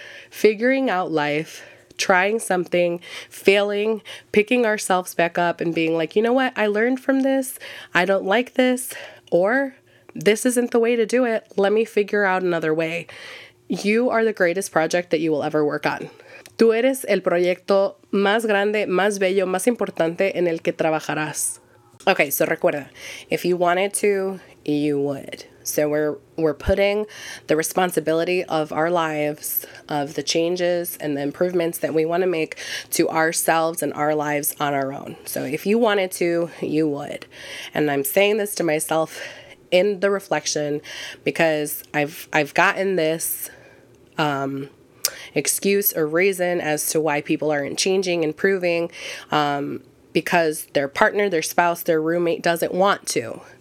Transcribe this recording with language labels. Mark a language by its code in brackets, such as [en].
[en] Figuring out life, trying something, failing, picking ourselves back up and being like, you know what? I learned from this. I don't like this. Or this isn't the way to do it. Let me figure out another way. You are the greatest project that you will ever work on. [es] Tú eres el proyecto más grande, más bello, más importante en el que trabajarás. [en] Okay, so [es] recuerda, [en] if you wanted to, you would. So we're putting the responsibility of our lives, of the changes and the improvements that we want to make to ourselves and our lives on our own. So if you wanted to, you would. And I'm saying this to myself in the reflection because I've gotten this excuse or reason as to why people aren't changing, improving, because their partner, their spouse, their roommate doesn't want to.